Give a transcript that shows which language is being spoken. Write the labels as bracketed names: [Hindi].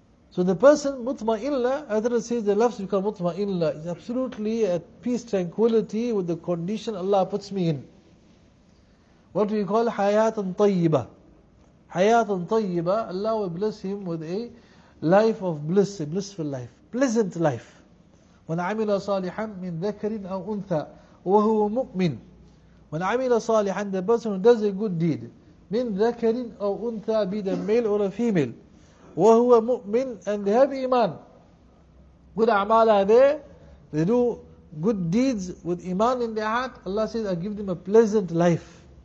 [English] So the person, مُطْمَئِنَّ, Adhra says the lafs become مُطْمَئِنَّ, is absolutely at peace, tranquility with the condition Allah puts me in. What we call [Arabic] حَيَاةً طَيِّبَةً. حَيَاةً طَيِّبَةً, [English] Allah will bless him with a life of bliss, a blissful life, pleasant life. When [Arabic] عَمِلَ صَالِحًا مِنْ ذَكَرٍ أَوْ أُنْثَى وَهُوَ مُؤْمِنٌ. [English] When [Arabic] عَمِلَ صَالِحًا, [English] the person who does a good deed, [Arabic] مِنْ ذَكَرٍ أَوْ أُنْثَى, [English] be the male or a female, [Arabic] وَهُوَ مُؤْمِنٌ, [English] and they have iman. Good a'mal are there, they do good deeds with iman in their heart, Allah says, I give them a pleasant life.